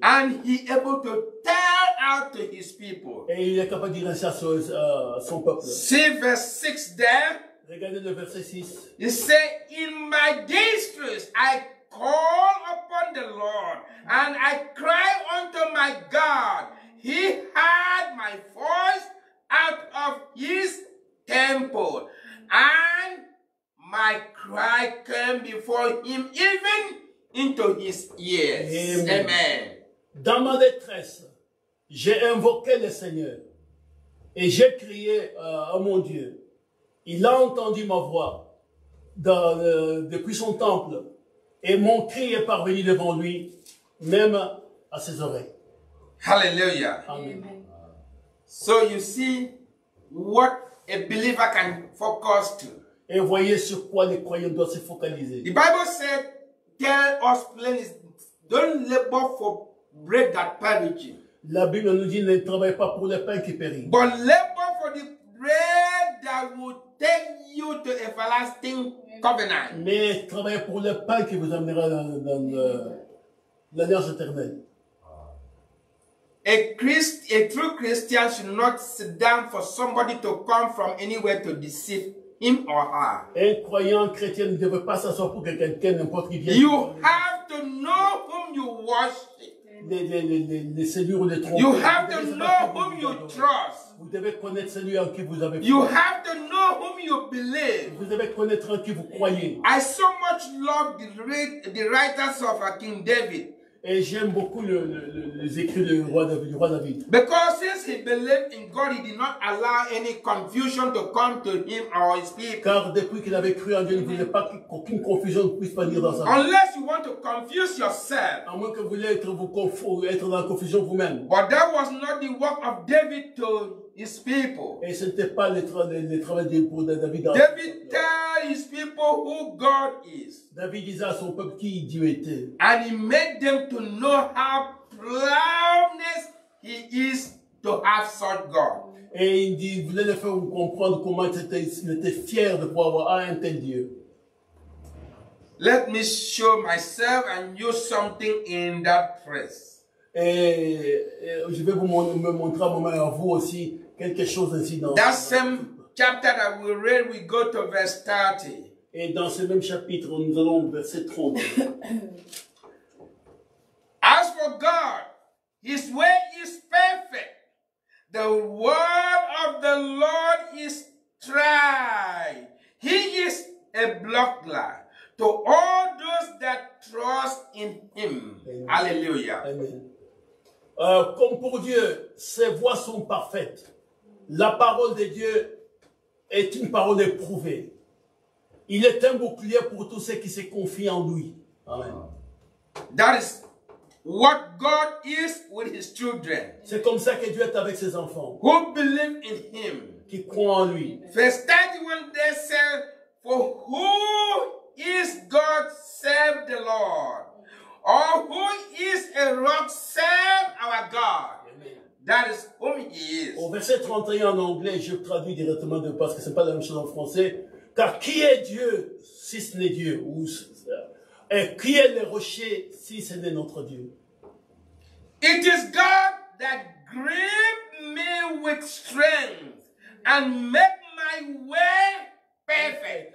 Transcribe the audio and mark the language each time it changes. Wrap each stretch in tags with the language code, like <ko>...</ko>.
<en>And he able to tell out to his people.</en> <fr>Et il est capable de dire ça à son peuple.</fr> <en>See verse 6 there.</en> <fr>Regardez le verset 6.</fr> <en>He said, in my distress I call upon the Lord and I cry unto my God. He heard my voice out of his temple. And my cry came before him, even into his ears. Amen.</en> <fr>Dans ma détresse, j'ai invoqué le Seigneur et j'ai crié à mon Dieu. Il a entendu ma voix depuis son temple et mon cri est parvenu devant lui, même à ses oreilles. Hallelujah. Amen.</fr> <en>So you see what a believer can focus to.</en> <fr>Et voyez sur quoi les croyants doivent se focaliser.</fr> <en>The Bible said, tell us plainly, don't labor for bread that perishes.</en> <fr>La Bible nous dit, ne travaille pas pour le pain qui périt.</fr> <en>But labor for the bread that will take you to everlasting covenant.</en> <fr>Mais travaillez pour le pain qui vous amènera dans l'alliance éternelle.</fr> <en>A true Christian should not sit down for somebody to come from anywhere to deceive him or her.</en> <fr>Un croyant chrétien ne devrait pas s'asseoir pour que quelqu'un n'importe qui vienne.</fr> <en>You have to know whom you worship.</en> <fr>Les cellules ou les trompes.</fr> <en>You have to know whom you trust.</en> <fr>Vous devez connaître celui en qui vous avez foi.</fr> <en>You have to know whom you believe.</en> <fr>Vous devez connaître en qui vous croyez.</fr> <en>I so much love the writers of King David.</en> <fr>Et j'aime beaucoup les écrits du roi David.</fr> <en>Because since he believed in God, he did not allow any confusion to come to him or his people.</en> <fr>Car depuis qu'il avait cru en Dieu, il ne voulait pas qu'aucune confusion ne puisse venir dans sa vie.</fr> <en>Unless you want to confuse yourself.</en> <fr>À moins que vous voulez être dans la confusion vous-même.</fr> <en>But that was not the work of David to his people.</en> <fr>Et ce n'était pas le travail de pour David.</fr> <en>David tell his people who God is.</en> <fr>David disait à son peuple qui Dieu était.</fr> <en>And he made them to know how proudness he is to have such God.</en> <fr>Et il dit, voulait les faire comprendre comment il était fier de pouvoir avoir un tel Dieu.</fr> <en>Let me show myself and you something in that place.</en> <fr>Et je vais me montrer à moi-même à vous aussi quelque chose ainsi dans</fr> <en>that same chapter that we read, we go to verse 30.</en> <fr>Et dans ce même chapitre, nous allons au verset 30.</fr> <en>As for God, his way is perfect. The word of the Lord is tried. He is a buckler to all those that trust in him. Amen.</en> <fr>Alléluia. Amen. Comme pour Dieu, ses voies sont parfaites. La parole de Dieu est une parole éprouvée. Il est un bouclier pour tous ceux qui se confient en lui. Amen.</fr> <en>That is what God is with his children.</en> <fr>C'est comme ça que Dieu est avec ses enfants.</fr> <en>Who believe in him.</en> <fr>Qui croient en lui.</fr> <en>Verse 31, they say, for who is God save the Lord? Or who is a rock save our God? That is who he is.</en> <fr>Au verset 31 en anglais, je traduis directement de parce que ce n'est pas la même chose en français. Car qui est Dieu si ce n'est Dieu? Et qui est le rocher si ce n'est notre Dieu?</fr> <en>It is God that gripped me with strength and made my way perfect.</en>